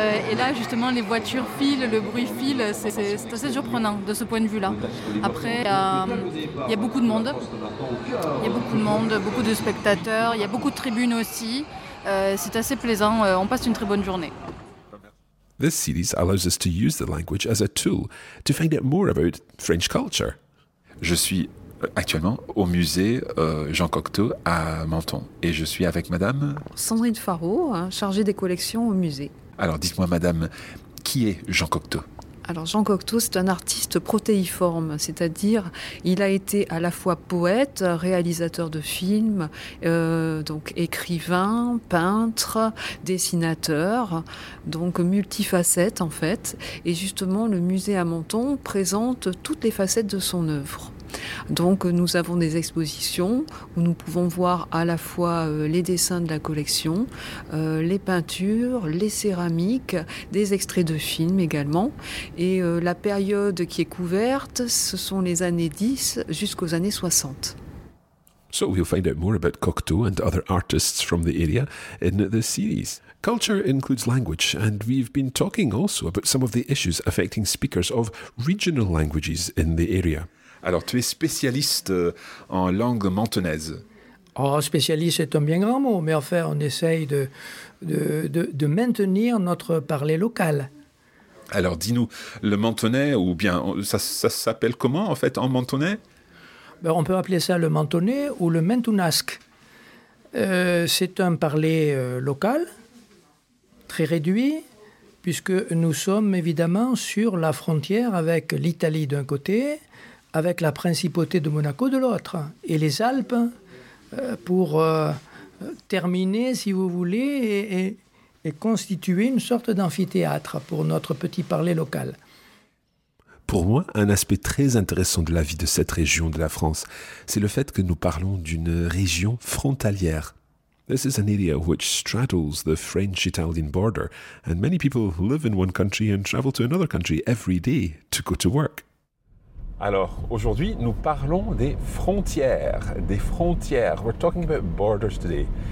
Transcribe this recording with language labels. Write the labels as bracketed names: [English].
[French] Et là, justement, les voitures filent, le bruit file, c'est assez surprenant de ce point de vue-là. Après, il y a beaucoup de monde. Il y a beaucoup de monde, beaucoup de spectateurs, il y a beaucoup de tribunes aussi. C'est assez plaisant, on passe une très bonne journée. [English] This series allows us to use the language as a tool to find out more about French culture. [French] Je suis actuellement au musée Jean Cocteau à Menton et je suis avec madame Sandrine Farreau, chargée des collections au musée. Alors dites-moi madame, qui est Jean Cocteau? Alors Jean Cocteau, c'est un artiste protéiforme, c'est-à-dire il a été à la fois poète, réalisateur de films, donc écrivain, peintre, dessinateur, donc multifacette en fait. Et justement, le musée à Menton présente toutes les facettes de son œuvre. Donc nous avons des expositions où nous pouvons voir à la fois les dessins de la collection, les peintures, les céramiques, des extraits de films également. Et la période qui est couverte, ce sont les années 10 jusqu'aux années 60. [English] So we'll find out more about Cocteau and other artists from the area in the series. Culture includes language, and we've been talking also about some of the issues affecting speakers of regional languages in the area. [French] Alors, tu es spécialiste en langue mentonaise. Oh, spécialiste, c'est un bien grand mot, mais enfin, on essaye de maintenir notre parler local. Alors, dis-nous, le mentonais, ou bien, ça s'appelle comment, en fait, en mentonais? Ben, on peut appeler ça le mentonais ou le mentounasque. C'est un parler local, très réduit, puisque nous sommes évidemment sur la frontière avec l'Italie d'un côté, avec la principauté de Monaco de l'autre, et les Alpes, pour terminer, si vous voulez, et constituer une sorte d'amphithéâtre pour notre petit parler local. Pour moi, un aspect très intéressant de la vie de cette région de la France, c'est le fait que nous parlons d'une région frontalière. [English] This is an area which straddles the French-Italian border, and many people live in one country and travel to another country every day to go to work. [French] Alors, aujourd'hui, nous parlons des frontières. [English] We're talking about borders today.